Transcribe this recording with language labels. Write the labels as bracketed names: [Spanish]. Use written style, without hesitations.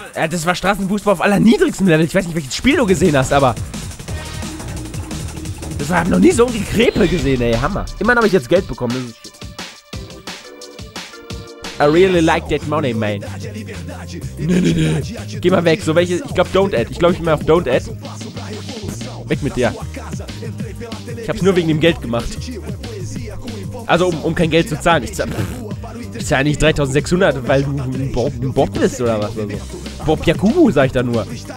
[German] Das war Straßenfußball auf allerniedrigstem Level. Ich weiß nicht, welches Spiel du gesehen hast, aber... Das war noch nie so ein Krepel gesehen, ey. Hammer. Immerhin habe ich jetzt Geld bekommen. [English] I really like that money, man. [German] Nee. Geh mal weg. So welche... Ich glaube, [English] don't add. [German] Ich glaube, ich bin mal auf [English] don't add. [German] Weg mit dir. Ich habe es nur wegen dem Geld gemacht. Also, um kein Geld zu zahlen. Ich zahle nicht 3600, weil du ein Bob bist oder was. Also. Bob Yakubu, sag ich da nur.